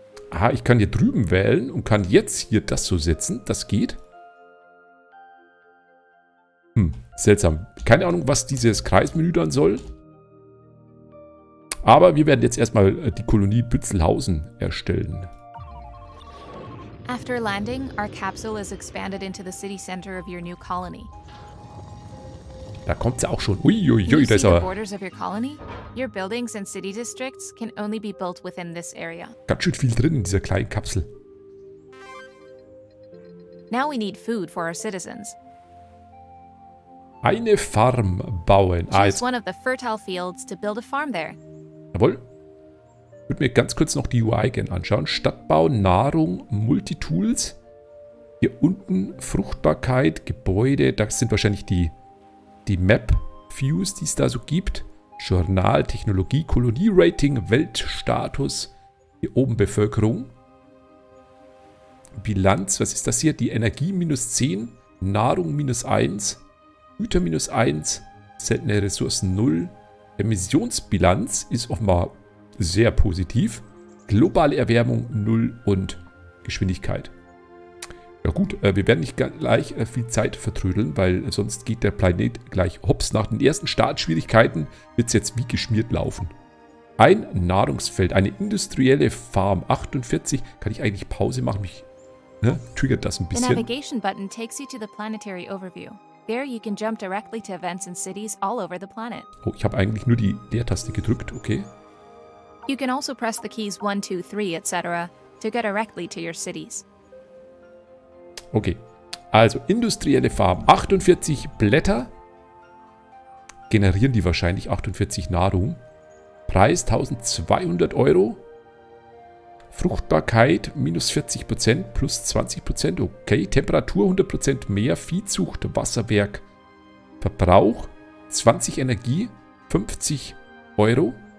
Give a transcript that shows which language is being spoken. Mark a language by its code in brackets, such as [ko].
[de] Ah, ich kann hier drüben wählen und kann jetzt hier das so setzen. Das geht. Seltsam. Keine Ahnung, was dieses Kreismenü dann soll. Aber wir werden jetzt erstmal die Kolonie Bützelhausen erstellen. [en] After landing, our capsule is expanded into the city center of your new colony. [de] Da kommt sie auch schon. Uiuiui, da ist aber. [en] The borders of your colony? Your buildings and city districts can only be built within this area. [de] Ganz schön viel drin in dieser kleinen Kapsel. [en] Now we need food for our citizens. [de] Eine Farm bauen. [en] Choose one of the fertile fields to build a farm there. [de] Jawohl. Ich würde mir ganz kurz noch die UI gerne anschauen. Stadtbau, Nahrung, Multitools. Hier unten Fruchtbarkeit, Gebäude. Das sind wahrscheinlich die Map-Views, die es da so gibt. Journal, Technologie, Kolonie-Rating, Weltstatus. Hier oben Bevölkerung. Bilanz, was ist das hier? Die Energie minus 10, Nahrung minus 1, Güter minus 1, seltene Ressourcen 0. Emissionsbilanz ist offenbar sehr positiv. Globale Erwärmung 0 und Geschwindigkeit. Ja gut, wir werden nicht gleich viel Zeit vertrödeln, weil sonst geht der Planet gleich hops. Nach den ersten Startschwierigkeiten wird es jetzt wie geschmiert laufen. Ein Nahrungsfeld, eine industrielle Farm 48. Kann ich eigentlich Pause machen? Mich triggert das ein bisschen. [en] The navigation button takes you to the planetary overview. There you can jump directly to events and cities all over the planet. [de] Oh, ich habe eigentlich nur die Leertaste gedrückt, okay. [en] You can also press the keys 1, 2, 3, etc. to get directly to your cities. [de] Okay, also industrielle Farm. 48 Blätter generieren die wahrscheinlich 48 Nahrung. Preis 1200 Euro. Fruchtbarkeit minus 40% plus 20%. Okay, Temperatur 100% mehr. Viehzucht, Wasserwerk, Verbrauch 20 Energie, 50 Euro.